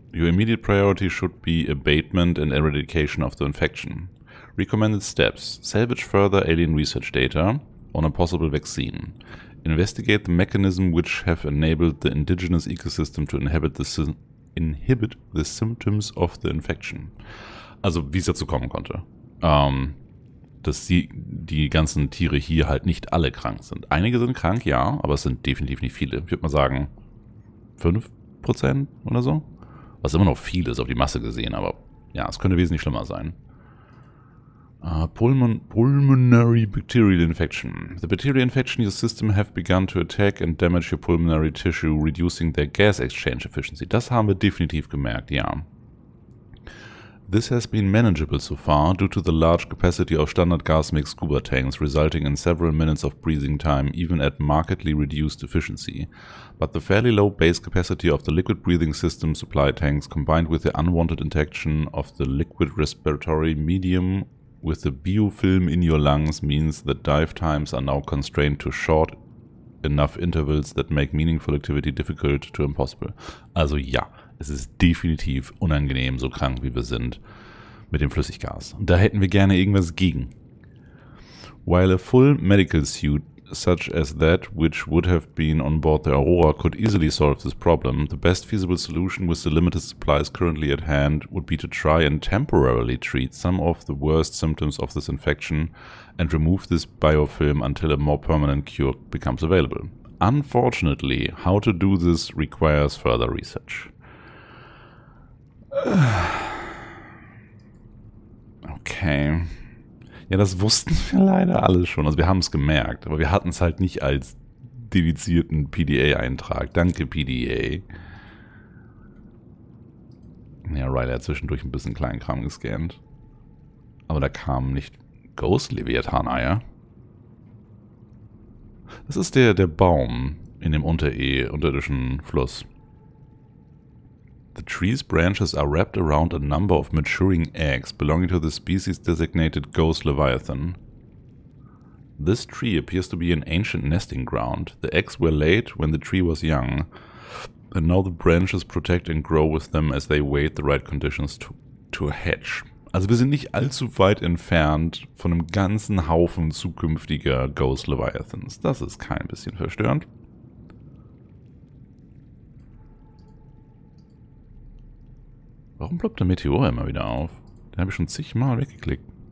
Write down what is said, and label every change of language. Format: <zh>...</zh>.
<en>Your immediate priority should be abatement and eradication of the infection. Recommended steps. Salvage further alien research data on a possible vaccine. Investigate the mechanism which have enabled the indigenous ecosystem to inhibit the symptoms of the infection.</en> <de>Also, wie es dazu kommen konnte. Dass die ganzen Tiere hier halt nicht alle krank sind. Einige sind krank, ja, aber es sind definitiv nicht viele. Ich würde mal sagen, 5% oder so. Was immer noch viel ist auf die Masse gesehen, aber ja, es könnte wesentlich schlimmer sein.</de> <en>Pulmonary bacterial infection. The bacterial infection in your system have begun to attack and damage your pulmonary tissue, reducing their gas exchange efficiency.</en> <de>Das haben wir definitiv gemerkt, ja.</de> <en>This has been manageable so far due to the large capacity of standard gas mix scuba tanks, resulting in several minutes of breathing time, even at markedly reduced efficiency. But the fairly low base capacity of the liquid breathing system supply tanks, combined with the unwanted interaction of the liquid respiratory medium with the biofilm in your lungs, means that dive times are now constrained to short enough intervals that make meaningful activity difficult to impossible.</en> <de>Also ja, es ist definitiv unangenehm, so krank wie wir sind, mit dem Flüssiggas. Da hätten wir gerne irgendwas gegen.</de> <en>While a full medical suit such as that which would have been on board the Aurora could easily solve this problem, the best feasible solution with the limited supplies currently at hand would be to try and temporarily treat some of the worst symptoms of this infection and remove this biofilm until a more permanent cure becomes available. Unfortunately, how to do this requires further research.</en> <de>Okay. Ja, das wussten wir leider alle schon. Also wir haben es gemerkt, aber wir hatten es halt nicht als dedizierten PDA-Eintrag. Danke, PDA. Ja, Riley hat zwischendurch ein bisschen Kleinkram gescannt. Aber da kam nicht Ghost Leviathan-Eier. Das ist der Baum in dem unterirdischen Fluss.</de> <en>The tree's branches are wrapped around a number of maturing eggs belonging to the species designated Ghost Leviathan. This tree appears to be an ancient nesting ground. The eggs were laid when the tree was young, and now the branches protect and grow with them as they wait the right conditions to hatch.</en> <de>Also wir sind nicht allzu weit entfernt von einem ganzen Haufen zukünftiger Ghost Leviathans. Das ist kein bisschen verstörend. Warum ploppt der Meteor immer wieder auf? Den habe ich schon zigmal weggeklickt.</de>